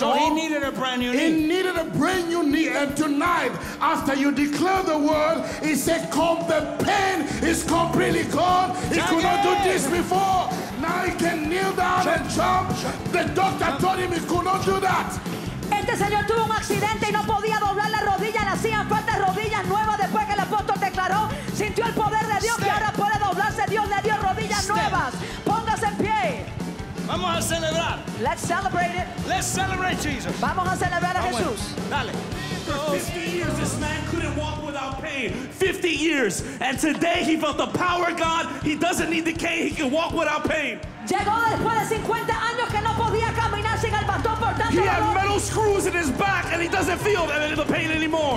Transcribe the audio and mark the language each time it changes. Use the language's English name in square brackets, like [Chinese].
[English] home. So he needed a brand new knee. He needed a brand new knee. And tonight, after you declare the word, he said, come, the pain is completely gone. He could not do this before. Now he can kneel down and jump. The doctor told him he could not do that. [Spanish] Este señor tuvo un accidente y no podía doblar la rodilla, le hacían falta rodillas nuevas después que el apóstol declaró. Sintió el poder de Dios, que ahora puede doblarse. Dios le dio rodillas nuevas. Póngase en pie. Vamos a celebrar. [English] Let's celebrate it. Let's celebrate Jesus. [Spanish] Vamos a celebrar a Jesús. Dale. [English] For 50 years, this man couldn't walk without pain. 50 years. And today, he felt the power of God. He doesn't need the cane. He can walk without pain. [Spanish] Llegó después de 50 años que no podía caminar sin el bastón por tanto [English] dolor. He had metal screws in his back, and he doesn't feel the pain anymore.